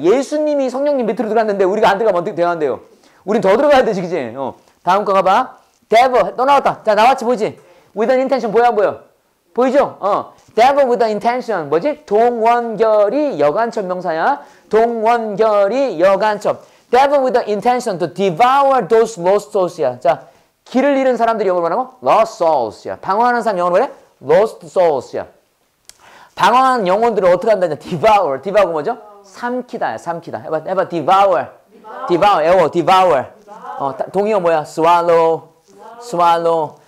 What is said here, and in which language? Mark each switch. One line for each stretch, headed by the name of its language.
Korean: 예수님이 성령님 밑으로 들어갔는데 우리가 안 들어가면 어떻게 돼야 돼요? 우린 더 들어가야 되지. 그지? 다음 거 가봐. Devil. 또 나왔다. 자, 나왔지. 보이지?
English: With an intention.
Korean: 보여 안 보여? 보이죠?
English: Devil with an intention.
Korean: 뭐지? 동원결이 여간첩 명사야. 동원결이 여간첩.
English: Devil with an intention to devour those lost souls야.
Korean: 자, 길을 잃은 사람들이 영어로 말하고?
English: Lost souls야.
Korean: 방황하는 사람 영어로 뭐래?
English: Lost souls야.
Korean: 방황하는 영혼들을 어떻게 한다냐? Devour. Devour 뭐죠? 삼키다야. 삼키다. 해봐. Devour. Devour. 에워. Devour. 동의어 뭐야? Swallow. Swallow.